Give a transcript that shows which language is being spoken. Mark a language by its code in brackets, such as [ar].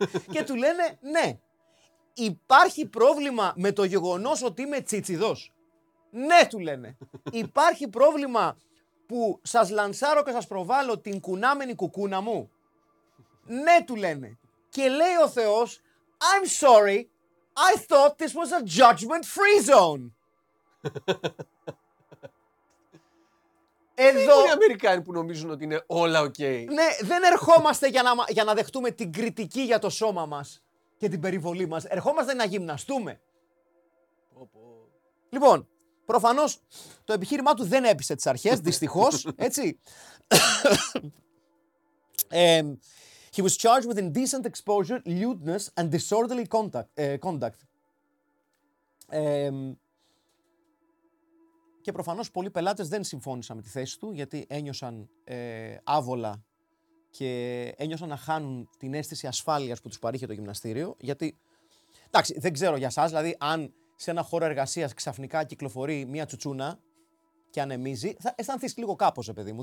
[el] Και του λένε, ναι. Υπάρχει πρόβλημα με το γεγονός ότι είμαι τσίτσιδος? Ναι, του λένε. Υπάρχει πρόβλημα που σας λανσάρω και σας προβάλλω την κουνάμενη κουκούνα μου? Ναι, του λένε. Και λέει ο Θεός, [en] I'm sorry, I thought this was a judgment free zone. [el] Εδώ... Είναι οι Αμερικάνοι που νομίζουν ότι είναι όλα οκ. [en] Okay. [el] Ναι, δεν ερχόμαστε για να δεχτούμε την κριτική για το σώμα μας και την περιβολή μας. Ερχόμαστε να γυμναστούμε. Λοιπόν, προφανώς το επιχείρημά του δεν έπεσε τις αρχές, δυστυχώς, έτσι. [en] He was charged with indecent exposure, lewdness and disorderly conduct. [el] Και προφανώς πολλοί πελάτες δεν συμφώνησαν με τη θέση του, γιατί ένιωσαν άβολα και ένιωσαν να χάνουν την αίσθηση ασφάλειας που τους παρήχε το γυμναστήριο. Γιατί, εντάξει, δεν ξέρω για εσάς, δηλαδή αν σε ένα χώρο εργασίας ξαφνικά κυκλοφορεί μία τσουτσούνα και ανεμίζει, θα αισθανθείς λίγο κάπως, παιδί μου.